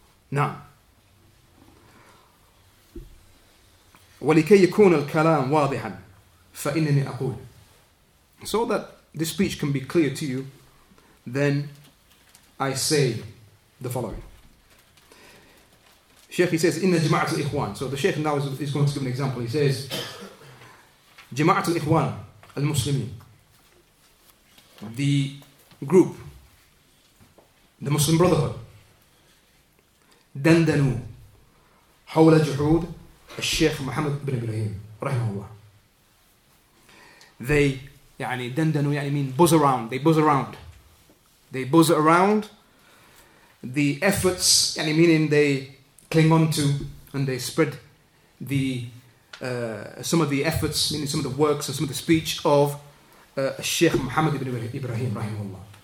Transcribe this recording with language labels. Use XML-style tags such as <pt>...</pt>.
<ar>Now, وَلِكَيْ يَكُونَ الْكَلَامُ وَاضِحًا فَإِنَّنِي أَقُولُ.</ar> <en>So that this speech can be clear to you, then I say the following. Sheikh, he says,</en> <ar>إِنَّ جَمَعَةُ الْإِخْوَانِ.</ar> <en>So the Sheikh now is going to give an example. He says,</en> <ar>جَمَعَةُ الْإِخْوَانِ الْمُسْلِمِينَ.</ar> <en>The group, the Muslim Brotherhood, دَنْدَنُوا,</en> <ar>حول جحود الشيخ محمد بن إبراهيم رحمه الله.</ar> <en>They</en> <ar>يعني دندنوا يعني</ar> <en>mean buzz around. They buzz around. They buzz around the efforts, يعني meaning they cling on to and they spread the some of the efforts, meaning some of the works or some of the speech of Sheikh Muhammad ibn Ibrahim, rahimahullah.</en>